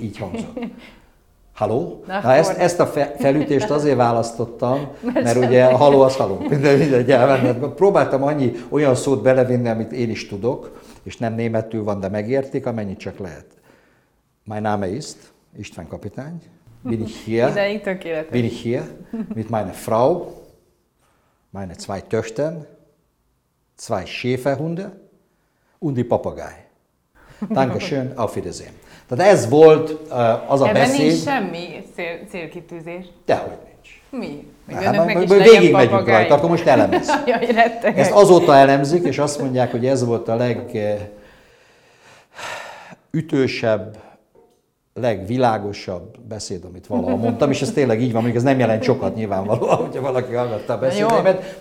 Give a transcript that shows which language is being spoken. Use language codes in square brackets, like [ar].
[hu] így hangzott. Haló? Na, ezt a felütést azért választottam, mert ugye a haló az haló. Próbáltam annyi olyan szót belevinni, amit én is tudok, és nem németül van, de megértik, amennyit csak lehet. [en] My name is [de] István kapitány. Bin ich hier. [hu] Ideig tökéletes. [de] Bin ich hier mit meine Frau, meine zwei Töchtern, zwei Schäferhunde und die Papagei. Dankeschön, auf Wiedersehen. [hu] Tehát ez volt az a ebben beszéd. Ebben nincs semmi célkitűzés. Dehogy nincs. Mi? Hát, végigmegyünk rajta, akkor most elemez. Jaj, rettegek. Ezt azóta elemzik, és azt mondják, hogy ez volt a legütősebb, legvilágosabb beszéd, amit valaha mondtam, és ez tényleg így van, mondjuk ez nem jelent sokat nyilvánvalóan, hogyha valaki hallgatta a beszédet.